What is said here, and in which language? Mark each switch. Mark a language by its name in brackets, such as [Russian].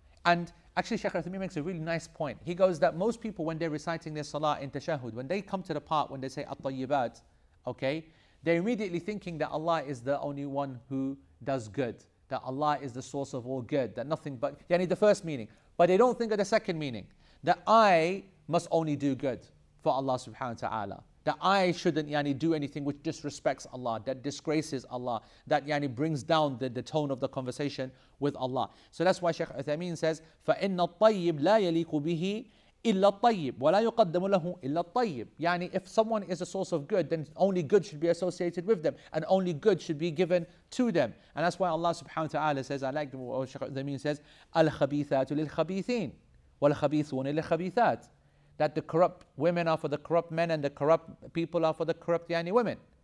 [English] And actually, Shaykh Uthaymeen makes a really nice point. He goes that most people, when they're reciting their salah in tashahud, when they come to the part when they say at-tayyibat, okay, they're immediately thinking that Allah is the only one who does good, that Allah is the source of all good, that nothing but, yani, the first meaning. But they don't think of the second meaning, that I must only do good for Allah subhanahu wa ta'ala, that I shouldn't, yani, do anything which disrespects Allah, that disgraces Allah, that, yani, brings down the tone of the conversation with Allah. So that's why Shaykh Uthaymeen says, [Arabic] فَإِنَّ الطَّيِّبْ لَا يَلِيقُ بِهِ إِلَّا الطَّيِّبْ وَلَا يُقَدَّمُ لَهُ إِلَّا الطَّيِّبْ. [English] Yani, if someone is a source of good, then only good should be associated with them, and only good should be given to them. And that's why Allah subhanahu wa ta'ala says, I like what Shaykh Uthaymeen says, [Arabic] الْخَبِيثَاتُ لِلْخَبِيثِينَ وَالْخَبِيثُونَ لِلْخَبِيثَاتِ, [English] that the corrupt women are for the corrupt men and the corrupt people are for the corrupt, yani, women.